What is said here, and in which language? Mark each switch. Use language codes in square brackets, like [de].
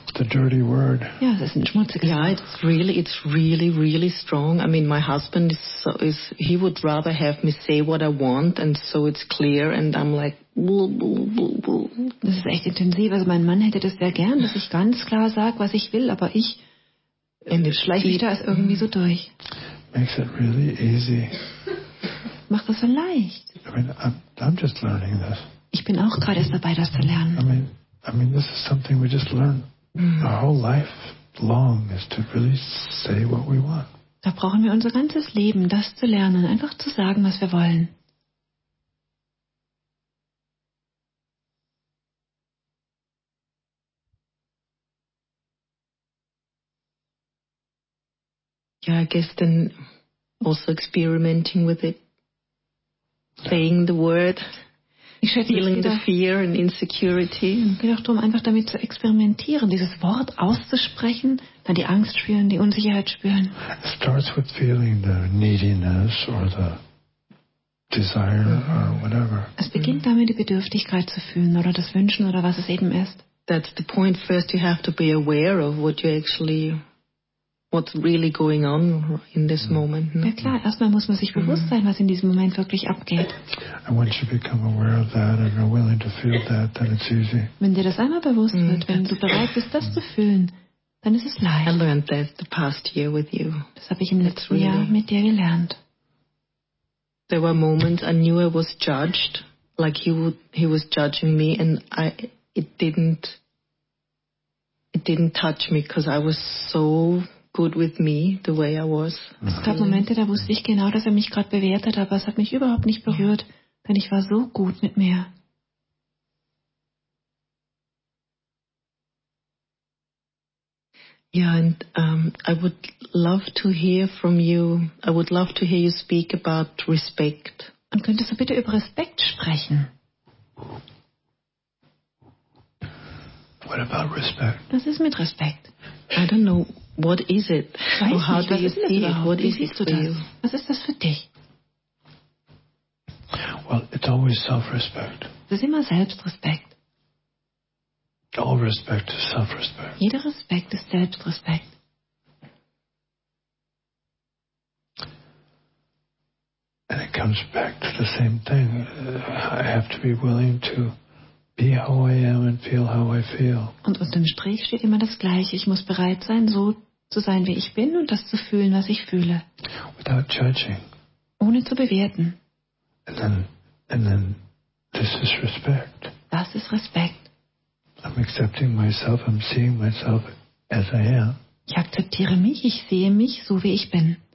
[en] The dirty word. [de] Ja, es ist ein schmutziges Wort. [en] It's really strong. I mean, my husband is he would rather have me say what I want and so it's clear and I'm like. [de] Das ist echt intensiv. Also mein Mann hätte das sehr gern, dass ich ganz klar sage, was ich will, aber ich schleiche ich da es irgendwie so durch. [en] Makes it really easy. [de] Macht das so leicht. [en] I mean, I'm just learning this. [de] Ich bin auch gerade erst dabei, das zu lernen. [en] I mean, this is something we just learn our whole life long is to really say what we want. [de] Da brauchen wir unser ganzes Leben, das zu lernen, einfach zu sagen, was wir wollen. [en] Yeah, I guess then also experimenting with it, saying the word, feeling the fear and insecurity. [de] Es geht auch darum, einfach damit zu experimentieren, dieses Wort auszusprechen, dann die Angst spüren, die Unsicherheit spüren. [en] It starts with feeling the neediness or the desire or whatever. [de] Es beginnt damit, die Bedürftigkeit zu fühlen oder das Wünschen oder was es eben ist. [en] That's the point. First, you have to be aware of what you actually, what's really going on in this moment. [de] Ja klar, erstmal muss man sich bewusst sein, was in diesem Moment wirklich abgeht. [en] And once you become aware of that and are willing to feel that, then it's easy. [de] Wenn dir das einmal bewusst wird, wenn du bereit bist, das zu fühlen, dann ist es leicht. [en] I learned that the past year with you. [de] Das habe ich im letzten Jahr mit dir gelernt. [en] There were moments I knew I was judged, like he was judging me, and it didn't touch me because I was so good with me the way I was. [de] Es gab Momente, da wusste ich genau, dass er mich gerade bewertet hat, aber es hat mich überhaupt nicht berührt, denn ich war so gut mit mir. [en] Yeah, and I would love to hear from you. I would love to hear you speak about respect. [de] Und könntest du bitte über Respekt sprechen? [en] What about respect? [de] Was ist mit Respekt? [en] I don't know. What is it? [de] Weiß nicht, [en] how do you see it? What is it for you? [de] Was ist das für dich? [en] Well, it's always self-respect. [de] Es ist immer Selbstrespekt. [en] All respect is self-respect. [de] Jeder Respekt ist Selbstrespekt. [en] And it comes back to the same thing. I have to be willing to be how I am and feel how I feel. [de] Und unter dem Strich steht immer das Gleiche. Ich muss bereit sein, so zu sein, wie ich bin und das zu fühlen, was ich fühle. [en] Without judging. [de] Ohne zu bewerten. [en] And then this is respect. [de] Das ist Respekt. [en] I'm accepting myself, I'm seeing myself as I am. [de] Ich akzeptiere mich, ich sehe mich so, wie ich bin.